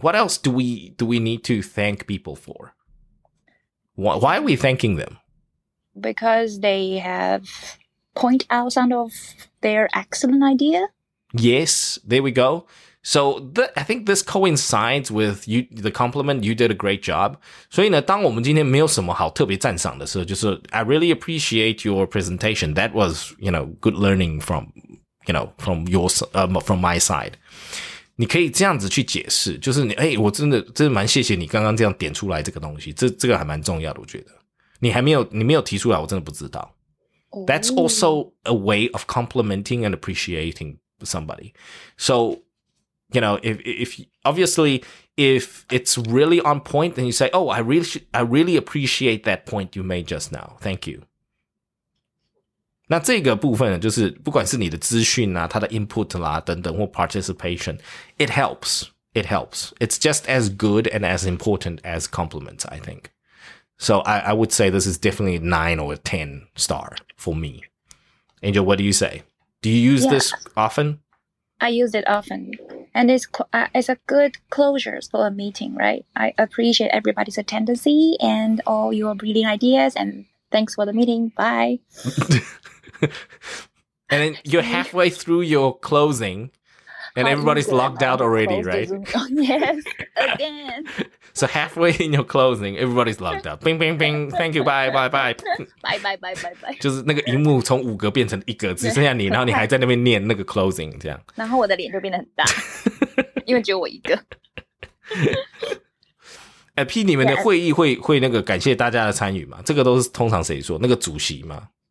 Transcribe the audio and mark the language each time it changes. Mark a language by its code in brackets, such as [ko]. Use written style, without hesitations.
[en] What else do we need to thank people for? Why are we thanking them? Because they have point out some of their excellent idea. Yes, there we go. So I think this coincides with you, the compliment, you did a great job. [zh] 所以呢当我们今天没有什么好特别赞赏的时候就是 [en] I really appreciate your presentation. That was, you know, good learning from, you know, from your, from my side. [zh] 你可以这样子去解释就是你诶、欸、我真的蛮谢谢你刚刚这样点出来这个东西这个还蛮重要的我觉得。你没有提出来我真的不知道。 [en] That's also a way of complimenting and appreciating somebody. So,You know, if obviously, if it's really on point, then you say, oh, I really appreciate that point you made just now. Thank you. [zh] 那这个部分就是不管是你的资讯啊它的 input 啦等等或 participation, [en] it helps. It helps. It's just as good and as important as compliments, I think. So I would say this is definitely 9 or 10 star for me. Angel, what do you say? Do you use this often? I use it often, and it's a good closure for a meeting, right? I appreciate everybody's attendance and all your brilliant ideas, and thanks for the meeting. Bye. And then you're halfway through your closing, and everybody's locked out already, right? Yes, again. So halfway in your closing, everybody's locked out. Bing, bing, bing. Thank you. Bye, bye, bye. Bye, bye, bye, bye, bye. [zh] 就是那个萤幕从五格变成一格，只剩下你，然后你还在那边念那个 closing 这样。然后我的脸就变得很大，因为只有我一个。 P, 你们的会议会那个感谢大家的参与吗？这个都是通常谁说？那个主席吗？